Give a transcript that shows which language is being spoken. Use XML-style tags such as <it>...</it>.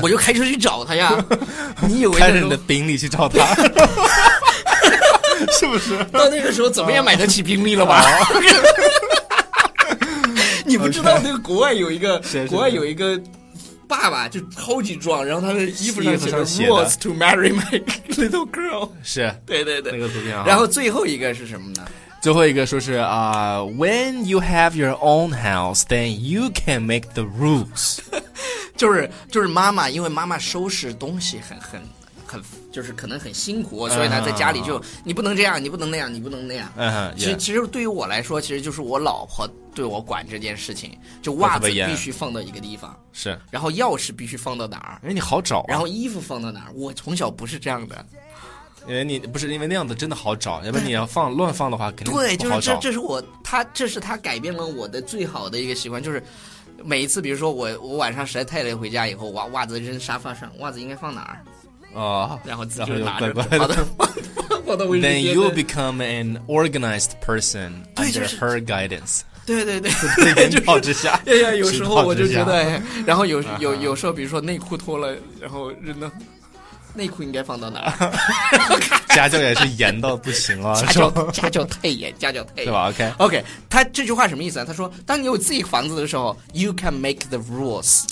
<zh>我就开车去找他呀！你以为开着你的宾利去找他，是不是？到那个时候怎么也买得起宾利了吧？你不知道那个国外有一个国外有一个爸爸就超级壮，然后他的衣服上写</zh> <en>着 "Wants to marry my little girl"，</en> <zh>是对对对，那个图片啊。然后最后一个是什么呢？最后一个说是啊、，</zh> <en>When you have your own house, then you can make the rules。</en> <zh>就是妈妈，因为妈妈收拾东西很就是可能很辛苦，所以呢在家里就、uh-huh. 你不能这样，你不能那样，你不能那样。</zh> <en>Uh-huh. Yeah.</en> <zh>其实对于我来说，其实就是我老婆对我管这件事情，就袜子必须放到一个地方，是，然后钥匙必须放到哪儿，因为你好找、啊，然后衣服放到哪儿，我从小不是这样的。因为你不是因为那样子真的好找，要不然你要放乱放的话肯定不好找。对，就是这是我这是他改变了我的最好的一个习惯，就是每一次比如说我晚上实在太累回家以后，袜子扔沙发上，袜子应该放哪儿？哦，然后就拿着放到卫生间。</zh> <en>Then you become an organized person under her guidance。</en> <zh>对对对，熏陶之下，哎呀，有时候我就觉得，然后有时候比如说内裤脱了，然后扔到。内裤应该放到哪儿？家教也是严到不行啊！家教太严，对吧 ？OK OK， 他这句话什么意思啊？他说，当你有自己房子的时候 ，</zh> <en>You can make the rules。</en>